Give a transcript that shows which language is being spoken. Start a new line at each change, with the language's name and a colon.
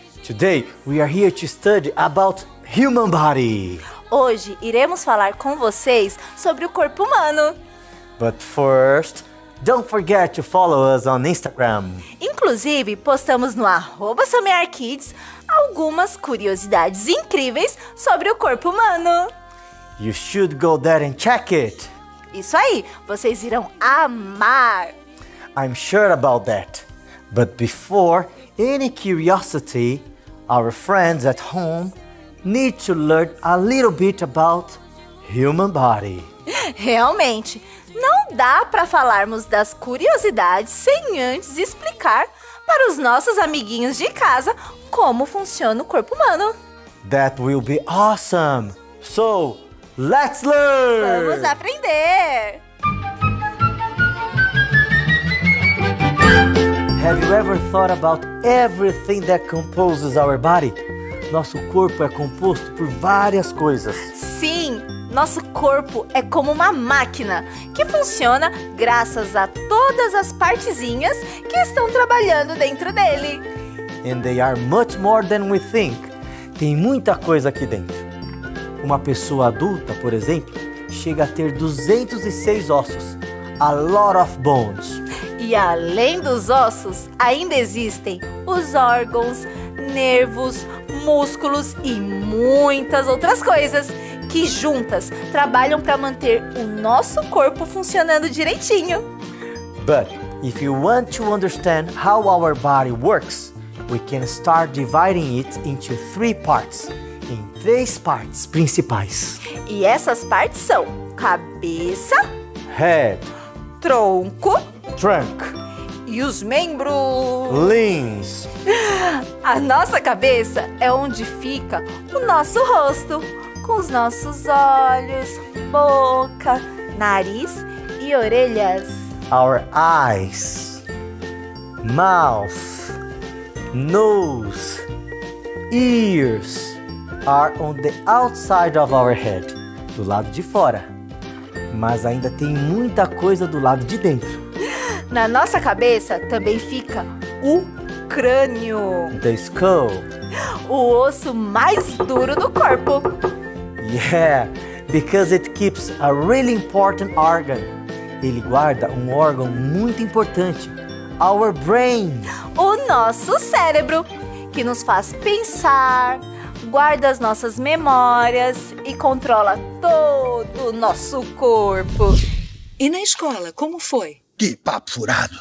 English: Today we are here to study about human body.
Portuguese: Hoje iremos falar com vocês sobre o corpo humano.
English: But first, don't forget to follow us on Instagram.
Portuguese: Inclusive, postamos no @somearkids algumas curiosidades incríveis sobre o corpo humano.
English: You should go there and check it.
Portuguese: Isso aí, vocês irão amar.
English: I'm sure about that. But before any curiosity, our friends at home need to learn a little bit about human body.
Portuguese: Realmente, não dá para falarmos das curiosidades sem antes explicar para os nossos amiguinhos de casa como funciona o corpo humano.
English: That will be awesome. So, let's learn!
Portuguese: Vamos aprender!
English: Have you ever thought about everything that composes our body?
Portuguese: Nosso corpo é composto por várias coisas. Sim! Nosso corpo é como uma máquina que funciona graças a todas as partezinhas que estão trabalhando dentro dele.
English: And they are much more than we think.
Portuguese: Tem muita coisa aqui dentro. Uma pessoa adulta, por exemplo, chega a ter 206 ossos.
English: A lot of bones.
Portuguese: E além dos ossos, ainda existem os órgãos, nervos, músculos e muitas outras coisas que juntas trabalham para manter o nosso corpo funcionando direitinho.
English: But if you want to understand how our body works, we can start dividing it into three parts.
Portuguese: Em três partes principais. E essas partes são cabeça,
English: head,
Portuguese: tronco,
English: trunk,
Portuguese: e os membros,
English: limbs.
Portuguese: A nossa cabeça é onde fica o nosso rosto, com os nossos olhos, boca, nariz e orelhas.
English: Our eyes, mouth, nose, ears are on the outside of our head,
Portuguese: do lado de fora. Mas ainda tem muita coisa do lado de dentro. Na nossa cabeça também fica o crânio.
English: The skull.
Portuguese: O osso mais duro do corpo.
English: Yeah, because it keeps a really important organ.
Portuguese: Ele guarda um órgão muito importante.
English: Our brain.
Portuguese: O nosso cérebro, que nos faz pensar, guarda as nossas memórias e controla todo o nosso corpo. E na escola, como foi? Que papo furado.